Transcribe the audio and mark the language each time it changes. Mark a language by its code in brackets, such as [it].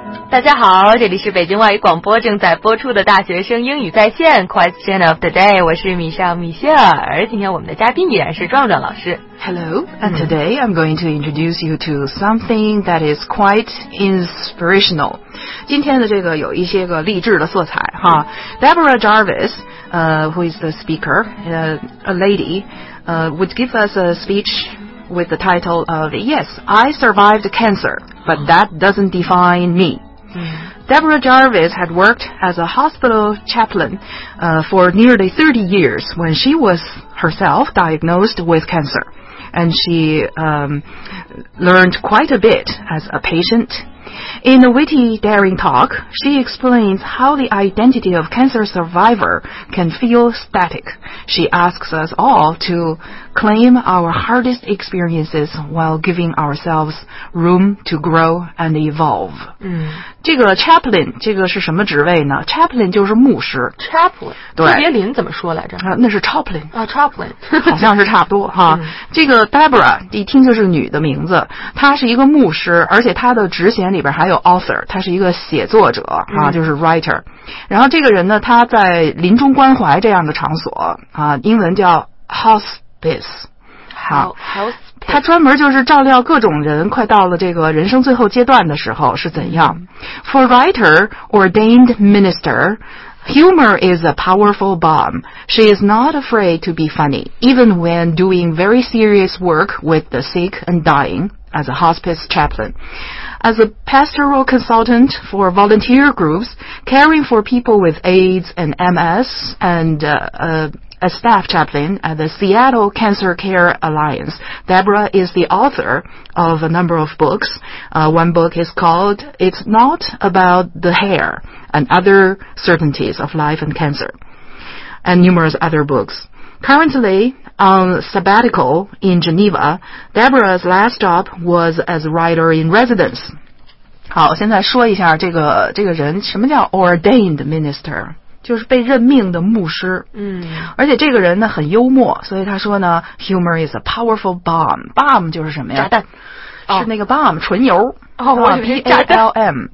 [zh] 大家好，这里是北京外语广播正在播出的大学生英语在线 [en] Question of the Day， [zh] 我是米歇尔，米歇尔。今天我们的嘉宾依然是壮壮老师。 [en] Hello, and today I'm going to introduce you to something that is quite inspirational. [zh] 今天的这个有一些个励志的色彩哈。 [en] Deborah Jarvis, who is the speaker, a lady, would give us a speech with the title of Yes, I survived cancer, but that doesn't define me. Deborah Jarvis had worked as a hospital chaplain for nearly 30 years when she was herself diagnosed with cancer. And she learned quite a bit as a patient. In a witty, daring talk, she explains how the identity of cancer survivor can feel static. She asks us all to claim our hardest experiences while giving ourselves room to grow and evolve. [zh] 这个 chaplain 这个是什么职位呢 ？Chaplain 就是牧师。 [en] Chaplain [zh] 对，特别林怎么说来着？那是 chaplain [en] 啊 ，chaplain [zh] 好像是差不多哈。这个 Deborah 一听就是女的名字，她是一个牧师，而且她的职衔里边还有 author， 她是一个写作者啊，就是 writer。然后这个人呢，他在临终关怀这样的场所啊，英文叫 hospice。好，他专门就是照料各种人快到了这个人生最后阶段的时候是怎样。 [en] For writer, ordained minister, humor is a powerful bomb. She is not afraid to be funny, even when doing very serious work with the sick and dying as a hospice chaplain. As a pastoral consultant for volunteer groups, caring for people with AIDS and MS and a staff chaplain at the Seattle Cancer Care Alliance. Deborah is the author of a number of books. One book is called It's Not About the Hair and Other Certainties of Life and Cancer, and numerous other books. Currently, on sabbatical in Geneva, Deborah's last stop was as writer in residence. [zh] 好，现在说一下这个人，什么叫 [en] ordained minister? [zh] 就是被任命的牧师，而且这个人呢很幽默，所以他说呢 ， [en] humor is a powerful bomb。 [zh] bomb 就是什么呀？炸弹，是那个 bomb 纯油。哦 [en] ，BALM。